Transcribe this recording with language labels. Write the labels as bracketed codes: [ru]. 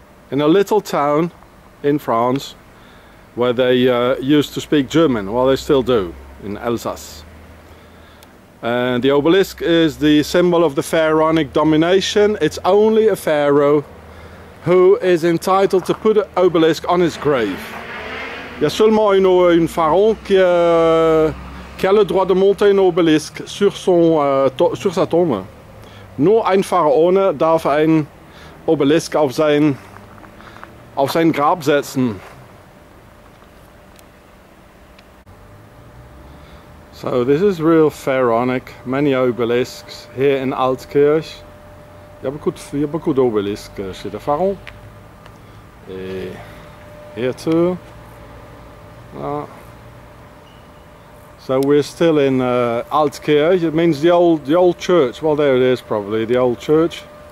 [en] In a little town in France where they used to speak German, well, they still do, in Alsace. And the obelisk is the symbol of the pharaonic domination. It's only a pharaoh who is entitled to put an obelisk on his grave. [fr] Il y a seulement un pharaon qui a le droit de monter un obelisk sur sa tombe. [de] Nur ein pharaon darf ein obelisk auf sein Grab setzen. [en] So this is real pharaonic, many obelisks here in Altkirch. [fr] Il y a beaucoup d'obelisques chez le pharaon. [en] Et here too. So we're still in Altkirch, it means the old church. Well, there it is, probably the old church.